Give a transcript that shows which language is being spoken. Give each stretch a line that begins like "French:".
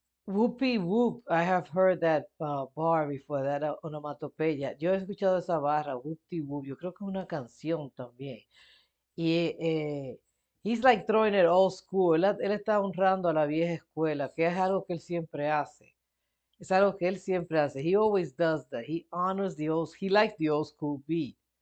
English: Whoopie whoop, I have heard that bar before, that onomatopeya.
Spanish: Yo he escuchado esa barra, whoop de whoop, yo creo que es una canción también. Y
English: he's like throwing it old school,
Spanish: él está honrando a la vieja escuela, que es algo que él siempre hace. Es algo que él siempre hace.
English: He always does that. He honors the old, he likes the old school beat.